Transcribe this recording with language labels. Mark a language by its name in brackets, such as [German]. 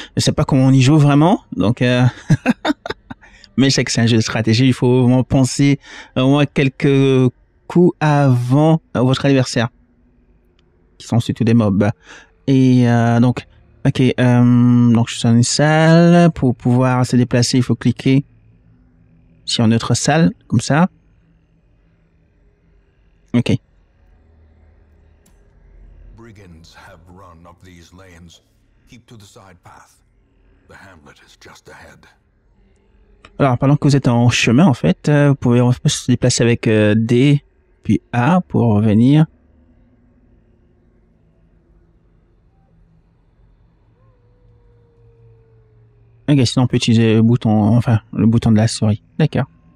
[French] Je sais pas comment on y joue vraiment, donc. Mais je sais que c'est un jeu de stratégie. Il faut vraiment penser au moins quelques coups avant votre adversaire, qui sont surtout des mobs. Et donc. Ok, donc je suis dans une salle. Pour pouvoir se déplacer, il faut cliquer sur une autre salle, comme ça. Ok. [English] Brigands have run up these lanes. Keep to the side path. The hamlet is just ahead. [French] Alors, pendant que vous êtes en chemin, en fait, vous pouvez se déplacer avec D puis A pour revenir. Ok, sinon on peut utiliser le bouton, enfin, le bouton de la souris. D'accord.